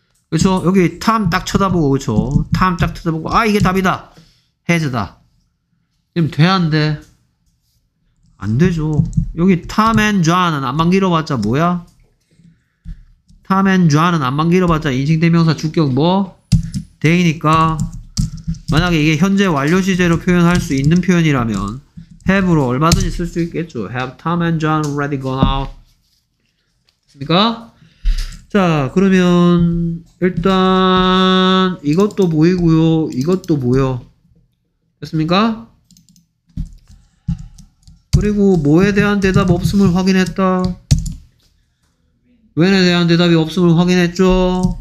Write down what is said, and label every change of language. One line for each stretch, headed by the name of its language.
Korean: 그렇죠? 여기 time 딱 쳐다보고 그렇죠? time 딱 쳐다보고 아 이게 답이다. has다. 그럼 돼 안 돼? 안 되죠. 여기 Tom and John은 안만 길어봤자 뭐야? Tom and John은 안만 길어봤자 인칭대명사 주격 뭐? 대이니까 만약에 이게 현재 완료시제로 표현할 수 있는 표현이라면 have로 얼마든지 쓸 수 있겠죠.
English: have Tom and John already gone out 됐습니까?
Korean: 자 그러면 일단 이것도 보이고요 이것도 보여 됐습니까? 그리고 뭐에 대한 대답 없음을 확인했다. when에 대한 대답이 없음을 확인했죠.